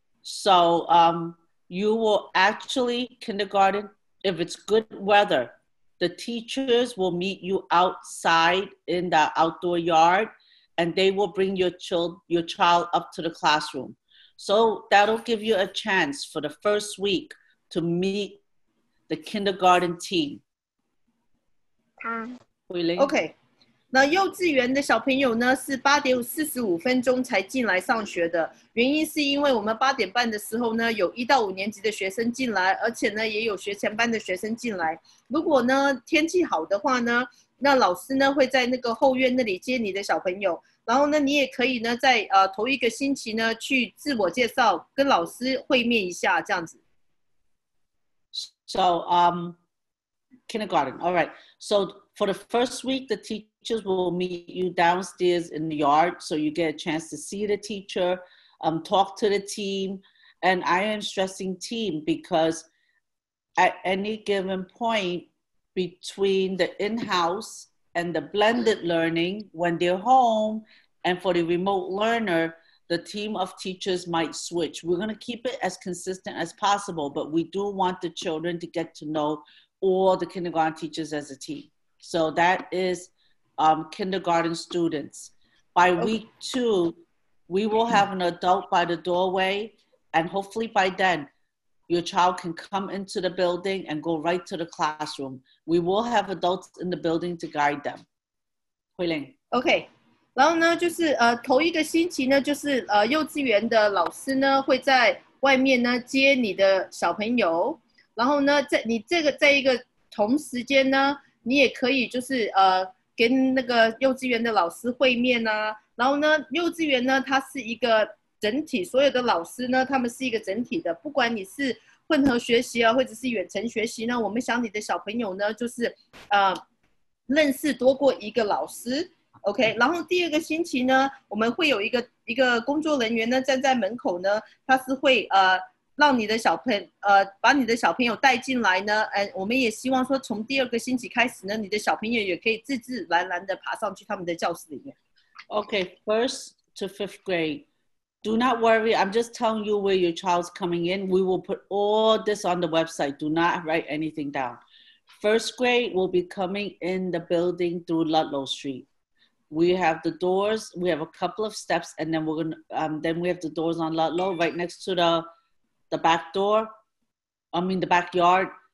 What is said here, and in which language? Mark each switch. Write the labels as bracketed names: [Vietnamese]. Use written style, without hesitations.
[English] So you will actually, kindergarten, if it's good weather, the teachers will meet you outside in the outdoor yard, and they will bring your child up to the classroom. So that'll give you a chance for the first week to meet the kindergarten team. Okay. [Chinese] 那幼稚园的小朋友呢是八点四十五分钟才进来上学的，原因是因为我们八点半的时候呢有一到五年级的学生进来，而且呢也有学前班的学生进来。如果呢天气好的话呢，那老师呢会在那个后院那里接你的小朋友，然后呢你也可以呢在头一个星期呢去自我介绍跟老师会面一下这样子。 [English] So kindergarten, all right. So for the first week, the teachers will meet you downstairs in the yard, so you get a chance to see the teacher, talk to the team. And I am stressing team because at any given point between the in-house and the blended learning, when they're home, and for the remote learner, the team of teachers might switch. We're going to keep it as consistent as possible, but we do want the children to get to know all the kindergarten teachers as a team. So that is kindergarten students. By week two, we will have an adult by the doorway, and hopefully by then, your child can come into the building and go right to the classroom. We will have adults in the building to guide them. Hui Ling. Okay. [Chinese] 然后呢，就是头一个星期呢，就是幼稚园的老师呢会在外面呢接你的小朋友。然后呢，在你这个在一个同时间呢，你也可以就是跟那个幼稚园的老师会面啊。然后呢，幼稚园呢，它是一个整体，所有的老师呢，他们是一个整体的，不管你是混合学习啊，或者是远程学习呢，我们想你的小朋友呢，就是认识多过一个老师。 OK， 然后第二个星期呢，我们会有一个工作人员呢站在门口呢，他是会让你的小朋友把你的小朋友带进来呢。我们也希望说从第二个星期开始呢，你的小朋友也可以自自然然的爬上去他们的教室里面。 [English] OK， first to fifth grade, do not worry. I'm just telling you where your child's coming in. We will put all this on the website. Do not write anything down. First grade will be coming in the building through Ludlow Street. We have the doors, we have a couple of steps, and then we're gonna, then we have the doors on Ludlow right next to the back door, I mean the backyard.